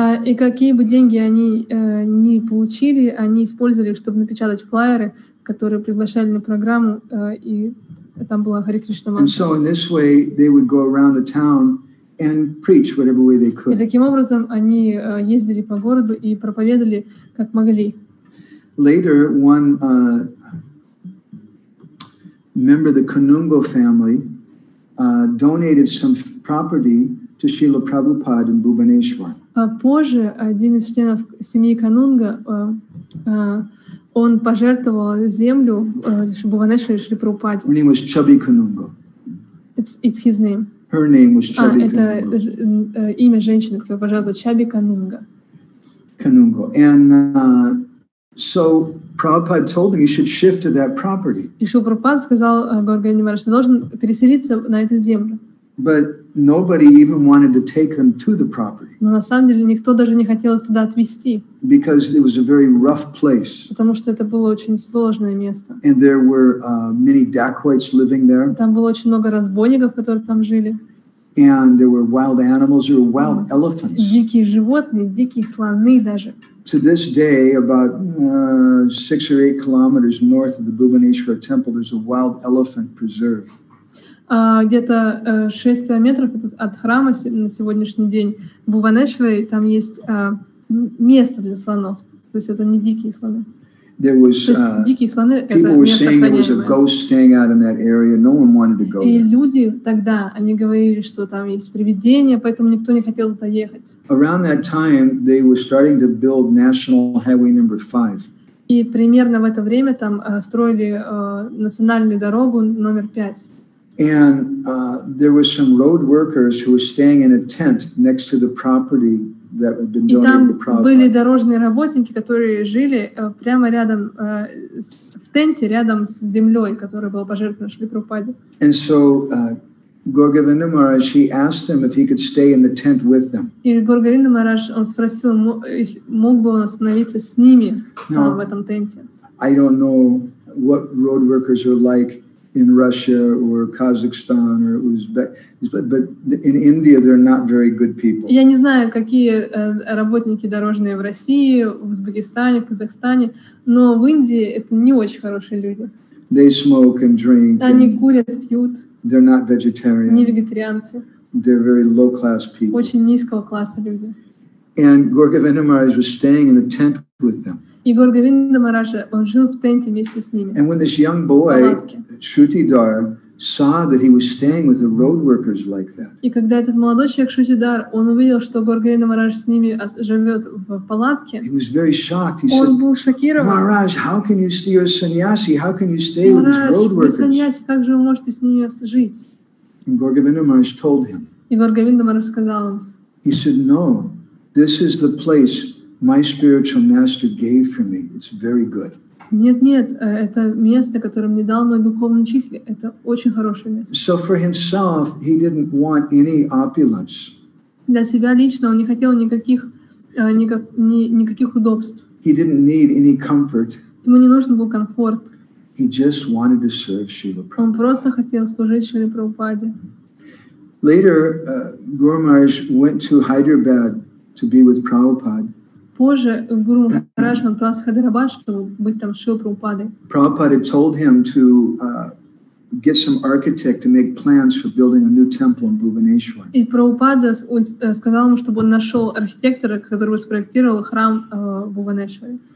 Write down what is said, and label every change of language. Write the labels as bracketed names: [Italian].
[Russian] И какие бы деньги они не получили, они использовали, чтобы напечатать флаеры, которые приглашали на программу, и там была Hare Krishna [English] mantra. And so in this way, they would go around the town and preach whatever way they could. [Russian] И таким образом они ездили по городу и проповедовали, как могли. [English] Later, one member of the Kanungo family donated some property to Srila Prabhupada in Bhubaneswar. [Russian] Позже один из членов семьи Канунга он пожертвовал землю Бхубанешвар Шри Прабхупаде. [English] Her name was Chubby Kanungo. It's his name. Her name was Chubby Kanungo. [Russian] Это имя женщины, которая пожертвовала, Chubby Kanungo. Kanungo. [English] And so Prabhupada told him he should shift to that property. [Russian] И Шрила Прабхупада сказал Гургавинде Махараджу, что должен переселиться на эту землю. [English] But nobody even wanted to take them to the property. [Russian] Но на самом деле никто даже не хотел их туда отвезти. [English] Because it was a very rough place. [Russian] Потому что это было очень сложное место. [English] And there were many dacoits living there. [Russian] Там было очень много разбойников, которые там жили. [English] And there were wild animals, there were wild elephants. [Russian] Дикие животные, дикие слоны даже. [English] To this day, about 6 or 8 kilometers north of the Bhubaneswar temple, there's a wild elephant preserve. [Russian] Где-то 6 километров от храма на сегодняшний день в Бхубанешваре там есть место для слонов. То есть это не дикие слоны. [English] There was, [Russian] то есть дикие слоны — это место охраняемое. И люди тогда, они говорили, что там есть привидения, поэтому никто не хотел туда ехать. [English] Around that time, they were starting to build National Highway number 5. [Russian] И примерно в это время там строили национальную дорогу номер 5. [English] And there were some road workers who were staying in a tent next to the property that had been donated to Prabhupada. [Russian] И там были дорожные работники, которые жили прямо рядом в тенте, рядом с землей, которая была пожертвована Шри Прабхупаде. [English] And so Gorgavinda Maharaj, he asked them if he could stay in the tent with them. [Russian] И Гургавинда Махарадж, он спросил, мог бы он остановиться с ними в этом тенте. [English] I don't know what road workers are like in Russia or Kazakhstan or Uzbekistan, but in India they're not very good people. [Russian] Я не знаю, какие работники дорожные в России, в Узбекистане, в Казахстане, но в Индии это не очень хорошие люди. [English] They smoke and drink. [Russian] Они курят, пьют. [English] They're not vegetarian. [Russian] Не вегетарианцы. [English] They're very low class people. [Russian] Очень низкого класса люди. [English] And Gorgavinda Maharaj was staying in the tent with them. [Russian] И Гургавинда Махараджа, он жил в тенте вместе с ними. [English] And when this young boy, Shrutidhar, saw that he was staying with the road workers like that. [Russian] И когда этот молодой человек Шрутидар, он увидел, что Гургавинда Махарадж с ними живет в палатке. [English] He was very shocked. He [Russian] он [English] said, [Russian] был шокирован. [English] Махарадж, how can you stay with sannyasi? How can you stay with these road workers? [Russian] Sannyasi, как же вы можете с ними жить? [English] And Gurgavinda Maharaj told him. [Russian] И Гургавинда Махарадж сказал ему. [English] He said, no, this is the place my spiritual master gave for me. It's very good. [Russian] Нет, нет, это место, которое мне дал мой духовный учитель, это очень хорошее место. [English] So for himself, he didn't want any opulence. [Russian] Для себя лично он не хотел никаких, никаких удобств. [English] He didn't need any comfort. [Russian] Ему не нужен был комфорт. [English] He just wanted to serve Шрила Прабхупаде. [Russian] Он просто хотел служить Шриле Прабхупаде. [English] Later, Guru Maharaj went to Hyderabad to be with Prabhupada. [Russian] Позже Гуру Махарадж отправился в Хайдарабад, чтобы быть там с Шрилой Прабхупадой. [English] Prabhupada told him to get some architect to make plans for building a new temple in Bhubaneswar. [Russian] И Прабхупада сказал ему, чтобы он нашел архитектора, который бы спроектировал храм в Бхубанешваре.